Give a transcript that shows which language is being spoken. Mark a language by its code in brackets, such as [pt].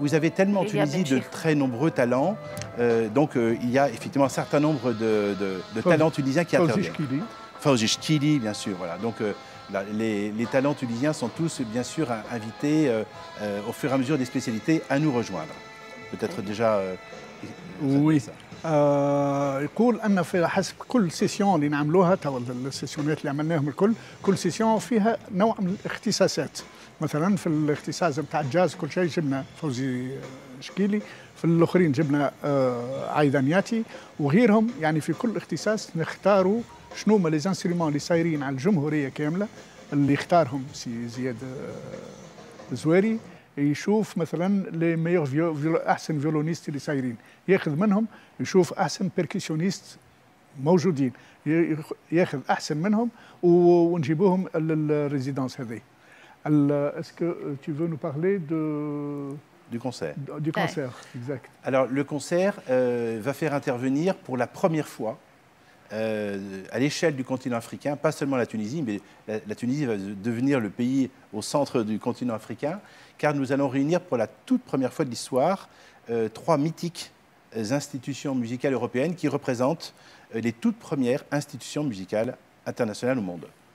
[fr] Vous avez tellement en Tunisie de très nombreux talents. Donc il y a effectivement un certain nombre de talents tunisiens qui interviennent. Fawzi Chkili, bien sûr. Voilà. Donc, les talents tunisiens sont tous, bien sûr, invités au fur et à mesure des spécialités à nous rejoindre. Peut-être déjà. Oui. [ar] يقول ان في حسب كل سيسيون اللي نعملوها توا السيسيونات اللي عملناهم الكل كل سيسيون فيها نوع من الاختصاصات مثلا في الاختصاص نتاع الجاز كل شيء جبنا فوزي شكيلي ف في الاخرين جبنا عايدانياتي وغيرهم، يعني في كل اختصاص نختاروا شنو هما لي زانسترومون اللي سايرين على الجمهوريه كامله، اللي اختارهم سي زياد الزواري يشوف مثلا لي ميور احسن فيولونيست اللي سايرين، ياخذ منهم يشوف احسن بيركيسيونيست موجودين، ياخذ احسن منهم ونجيبوهم للريزيدنس هذه. [fr] Est-ce que tu veux nous parler de... du concert. Du concert, ouais. Exact. Alors, le concert va faire intervenir pour la première fois à l'échelle du continent africain, pas seulement la Tunisie, mais la Tunisie va devenir le pays au centre du continent africain, car nous allons réunir pour la toute première fois de l'histoire trois mythiques institutions musicales européennes qui représentent les toutes premières institutions musicales internationales au monde.